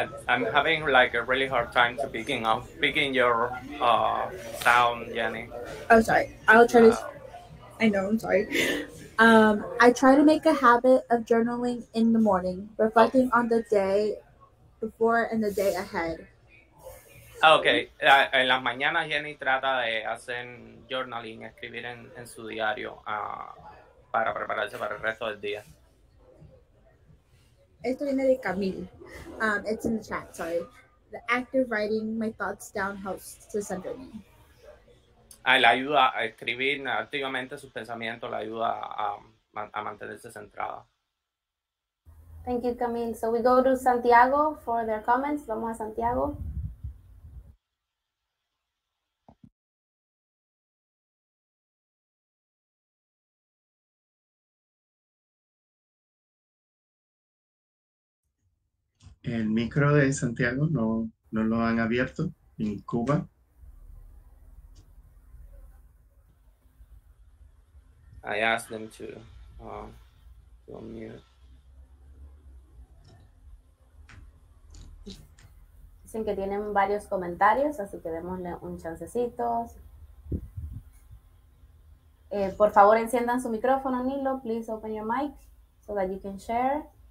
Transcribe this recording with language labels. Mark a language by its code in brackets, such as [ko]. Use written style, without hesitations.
[en] I'm having like a really hard time to picking up, picking your sound, Jenny. Oh, sorry. I'll try to. I know, I'm sorry. I try to make a habit of journaling in the morning, reflecting on the day before and the day ahead. Okay. [es] En las mañanas, Jenny trata de hacer journaling, escribir en su diario para prepararse para el resto del día. [en] Esto viene de Camille. It's in the chat, sorry. The act of writing my thoughts down helps to center me. [es] Le ayuda a escribir activamente sus pensamientos, le ayuda a mantenerse centrada. [en] Thank you, Camille. So we go to Santiago for their comments. [es] Vamos a Santiago. El micro de Santiago no lo han abierto en Cuba. [en] I asked them to unmute. [es] Dicen que tienen varios comentarios, así que démosle un chancecito. Por favor, enciendan su micrófono, Nilo. [en] Please open your mic so that you can share.